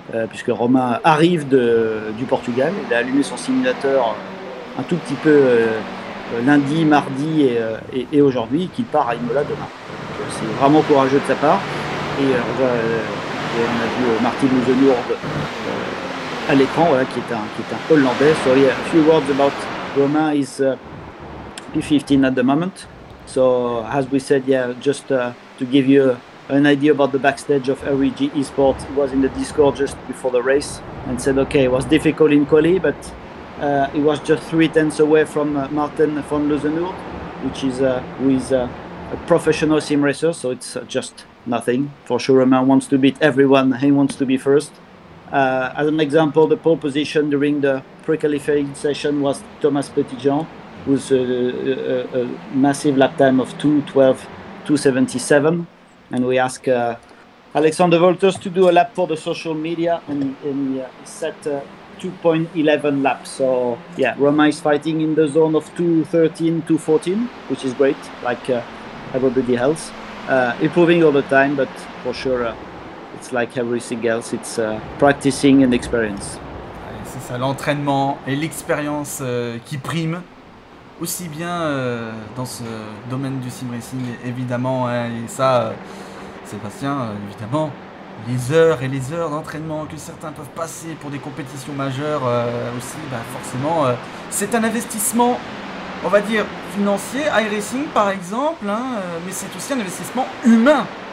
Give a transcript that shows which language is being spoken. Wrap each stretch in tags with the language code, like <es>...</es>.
<fr>Puisque Romain arrive du Portugal, il a allumé son simulateur un tout petit peu lundi, mardi et aujourd'hui, et qu'il part à Imola demain. Donc, c'est vraiment courageux de sa part. Et on a vu Martin Leeuwenhoord à l'écran, voilà, qui est un Hollandais.</fr> <en>So, yeah, a few words about Romain is P15 at the moment. So as we said, yeah, just to give you an idea about the backstage of REG Esports, he was in the Discord just before the race and said, okay, it was difficult in quali, but it was just 3/10 away from Martin van Leeuwenhoord, which is a professional sim racer, so it's just nothing. For sure, Romain wants to beat everyone. He wants to be first. As an example, the pole position during the pre-qualifying session was Thomas Petitjean, with a massive lap time of 2:12:277. And we asked Alexander Wolters to do a lap for the social media, and he set 2:11 laps. So yeah, Romain is fighting in the zone of 2:13:214, which is great, like everybody else. Improving all the time, but for sure, it's like everything else, it's practicing and experience.</en> <fr>C'est ça, l'entraînement et l'expérience qui prime, aussi bien dans ce domaine du sim racing, évidemment. Hein, et ça, Sébastien, évidemment, les heures et les heures d'entraînement que certains peuvent passer pour des compétitions majeures aussi, forcément, c'est un investissement, on va dire, financier, iRacing par exemple, hein, mais c'est aussi un investissement humain.</fr>